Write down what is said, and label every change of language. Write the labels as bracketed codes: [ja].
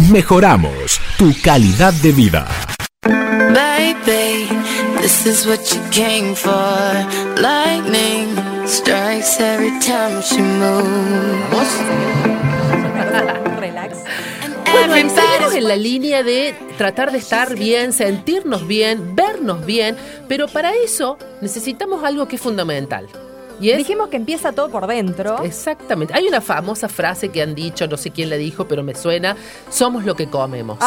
[es] Mejoramos tu calidad de vida. [en] Baby, this is what you came for. Lightning strikes every time she moves. Relax. [es] Bueno, y seguimos en la línea de tratar de estar bien, sentirnos bien, vernos bien, pero para eso necesitamos algo que es fundamental. [en] Yes. [es] Dijimos que empieza todo por dentro. Exactamente. Hay una famosa frase que han dicho, no sé quién la dijo, pero me suena: somos lo que comemos.